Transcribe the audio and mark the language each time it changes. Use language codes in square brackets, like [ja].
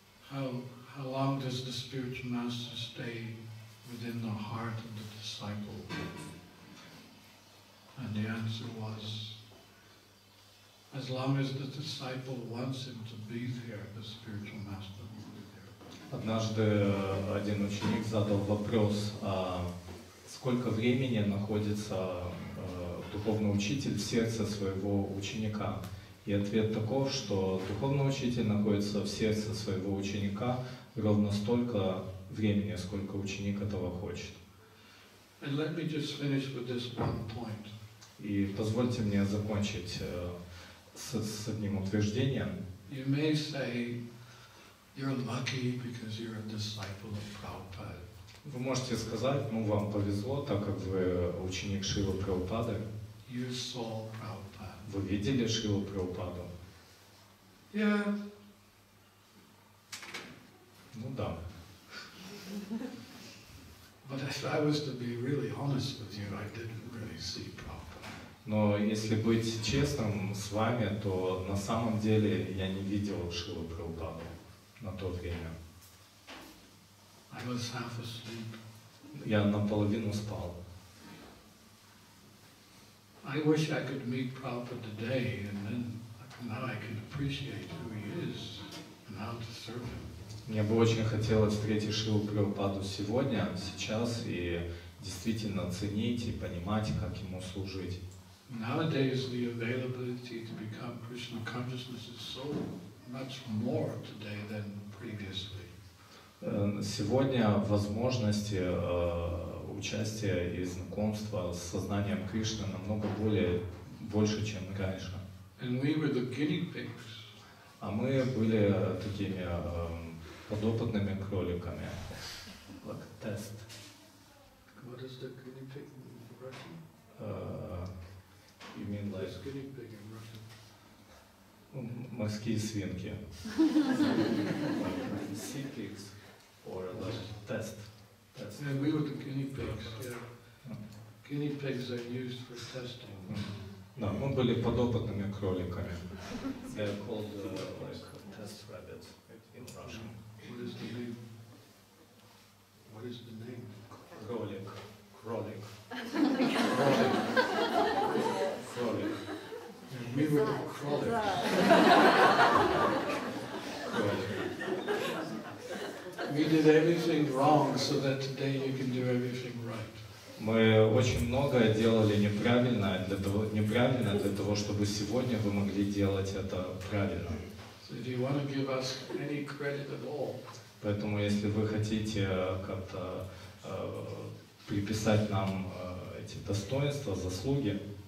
[en] How long does the spiritual master stay within the heart of the disciple? And the answer was, as long as the disciple wants him to be there, the spiritual master will be there. [ru] Однажды один ученик задал вопрос, сколько времени находится духовный учитель в сердце своего ученика? И ответ таков, что духовный учитель находится в сердце своего ученика ровно столько времени, сколько ученик этого хочет. [en] And let me just finish with this one point. [ru] И позвольте мне закончить с одним утверждением. [en] You may say you're lucky because you're a disciple of Prabhupada. [ru] Вы можете сказать, ну вам повезло, так как вы ученик Шрилы Прабхупады. [en] You saw Prabhupada. [ru] Вы видели Шрилу Прабхупаду? [en] Yeah. [ru] Ну да. [en] But if I was to be really honest with you, I didn't really see Prabhupada. [ru] Но если быть честным с вами, то на самом деле я не видел Шрилу Прабхупаду на то время. [en] I was half asleep. [ru] Я наполовину спал. [en] I wish I could meet Prabhupada today, and then now I can appreciate who he is and how to serve him. [ru] Мне бы очень хотелось встретить Шрилу Прабхупаду сегодня, сейчас, и действительно ценить и понимать, как ему служить. [en] Nowadays the availability to become Krishna consciousness is so much more today than previously. [ru] Сегодня возможности участия и знакомства с сознанием Кришны намного больше, чем раньше. [en] And we were the guinea pigs. [ru] А мы были такими подопытными кроликами. [en] Like a test. What is the guinea pig in Russian? You mean like... What is guinea pig in Russian? [ru] Морские свинки. [en] Sea pigs. Or like test. That's yeah, we were the guinea pigs, yeah. Guinea pigs are used for testing. [ru] No, мы были подопытными кроликами. [en] They are called like test rabbits in Russian. What is the name? What is the name? [ru] Кролик. Кролик. Кролик. Кролик. [en] And we were the кролик. We did everything wrong so that today you can do everything right. [ru] Мы очень многое делали неправильно для того, чтобы сегодня вы могли делать это правильно. [en] So do you want to give us any credit at all? [ru] Поэтому если вы хотите как-то приписать нам эти достоинства, заслуги,